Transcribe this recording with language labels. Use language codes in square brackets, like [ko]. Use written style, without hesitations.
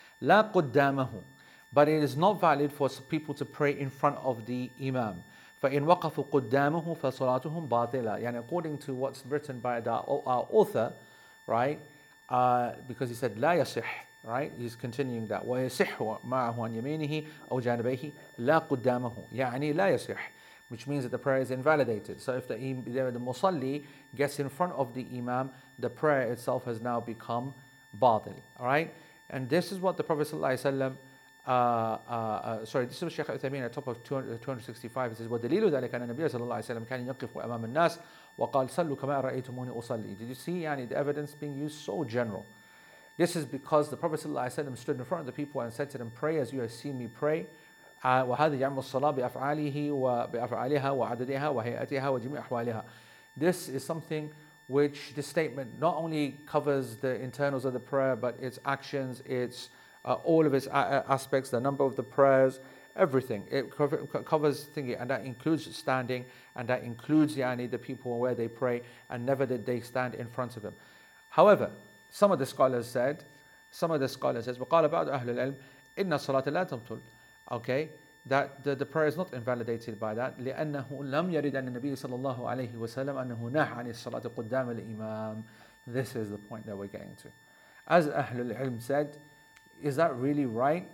[ar] لا قدامه. [en] But it is not valid for people to pray in front of the imam. [ar] فَإِنْ وَقَفُوا قُدَّامَهُ فَصُلَاتُهُمْ بَاطِلَةٌ. [en] And according to what's written by our author, right, because he said, [ar] لا يصح, [en] right, he's continuing that. [ar] وَيَصِحُ مَعَهُ عَنْ يَمِينِهِ أَوْ جَانِبَيْهِ لَا قُدَّامَهُ يعني لا يصح. [en] Which means that the prayer is invalidated. So if the musalli gets in front of the imam, the prayer itself has now become batil. All right? And this is what the Prophet sallallahu alaihi wasallam, this is Shaykh Uthaymeen at the top of 265. It says, [ar] وَدَلِيلُ ذَلِكَ أَنَّ النَّبِيَ صَلَّى اللَّهُ عَلَيْهِ وَسَلَّمَ كَانَ يَقِفُ أَمَامَ النَّاسِ وَقَالَ صَلُّوا كَمَا رَأَيْتُمُونِي أُصَلِّي. [en] Did you see the evidence being used so general? This is because the Prophet sallallahu alaihi wasallam stood in front of the people and said to them, pray as you have seen me pray. [ar] وَهَذِهِ يَعْمُ الصَّلَاةِ بِأَفْعَالِهِ وَبِأَفْعَالِهَا وَعَدَدِهَا وَهَيْئَتِهَا وَجِمِعْ أَحْوَالِهَا. [en] This is something which this statement not only covers the internals of the prayer, but its actions, its all of its aspects, the number of the prayers, everything. It covers thingy, and that includes standing, and that includes the people where they pray, and never did they stand in front of him. However, some of the scholars said, [ar] وَقَالَ بَعْضُ أَهْلُ الْعِلْمِ إِنَّ الصَّلَاةَ لَا تَبْطُلُ. [en] Okay, that the prayer is not invalidated by that. [ar] لأنه لم يرد عن النبي صلى الله عليه وسلم أنه نهى عن الصلاة قدام الإمام. [en] This is the point that we're getting to. As أهل العلم said, is that really right?